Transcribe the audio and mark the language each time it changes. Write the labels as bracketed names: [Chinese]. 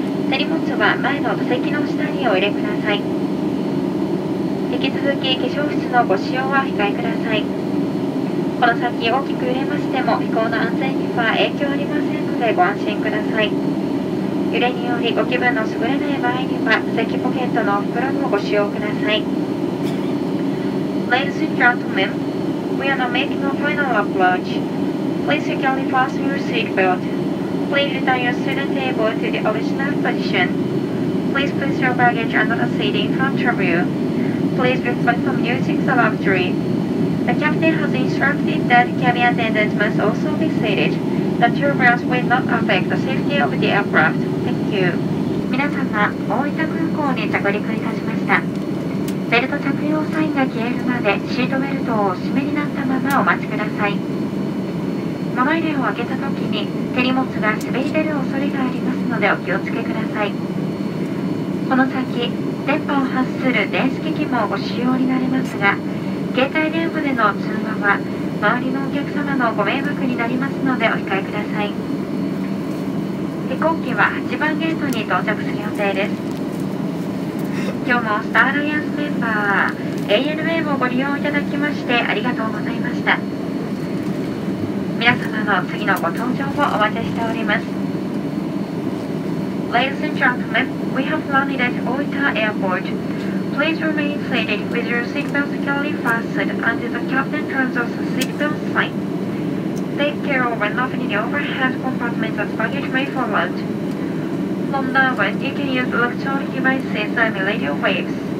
[Japanese] 手荷物は前の座席の下にお入れください。引き続き化粧室のご使用は控えください。この先大きく揺れましても飛行の安全には影響ありませんのでご安心ください。揺れによりご気分の優れない場合には座席ポケットの袋もご使用ください。 [English] Ladies and gentlemen, we are now making a final approach. Please securely fasten your seat belt. Please return your seating table to the original position. Please place your baggage under the seat in front of you. Please refrain from using the lavatory. The captain has instructed that cabin attendants must also be seated. The turbulence will not affect the safety of the aircraft. Thank you. [Japanese] 皆様、大分空港に着陸いたしました。ベルト着用サインが消えるまでシートベルトをお締めになったままお待ちください。物入れを開けた時に手荷物が滑り出る恐れがありますのでお気をつけください。この先、電波を発する電子機器もご使用になりますが、携帯電話での通話は周りのお客様のご迷惑になりますのでお控えください。飛行機は8番ゲートに到着する予定です。今日もスターアライアンスメンバーは ANA をご利用いただきましてありがとうございました。皆様の次のご搭乗をお待ちしております。 [English] Ladies and gentlemen, we have landed at 大分 Airport. Please remain seated with your seatbelt securely fastened until the captain turns off the seatbelt sign. Take care of when opening the overhead compartment as baggage may fall out. From now on, you can use electronic devices and radio waves.